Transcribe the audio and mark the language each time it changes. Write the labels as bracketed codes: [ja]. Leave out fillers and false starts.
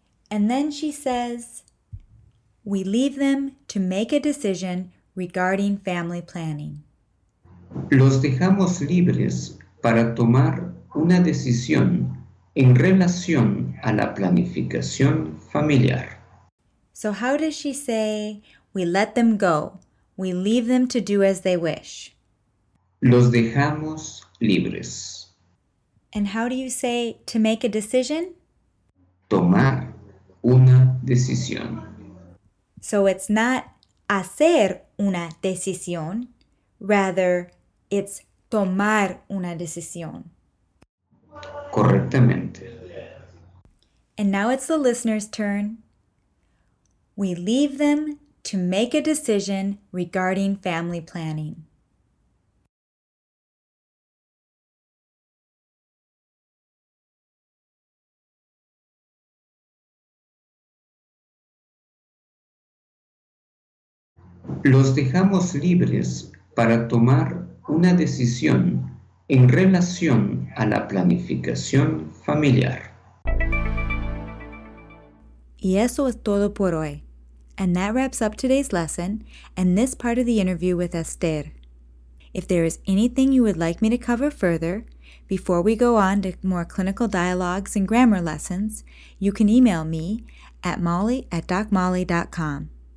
[en] And then she says, we leave them to make a decision regarding family planning. [es] Los dejamos libres para tomar una decisión en relación a la planificación familiar. [en] So how does she say, we let them go, we leave them to do as they wish? [es] Los dejamos libres. [en] And how do you say to make a decision? [es] Tomar una decisión. [en] So it's not [es] hacer una decisión, [en] rather it's [es] tomar una decisión. Correctamente. [en] And now it's the listener's turn. We leave them to make a decision regarding family planning. [es] Los dejamos libres para tomar una decisión en relación a la planificación familiar. Y eso es todo por hoy. [en] And that wraps up today's lesson and this part of the interview with Esther. If there is anything you would like me to cover further, before we go on to more clinical dialogues and grammar lessons, you can email me at molly@docmolly.com.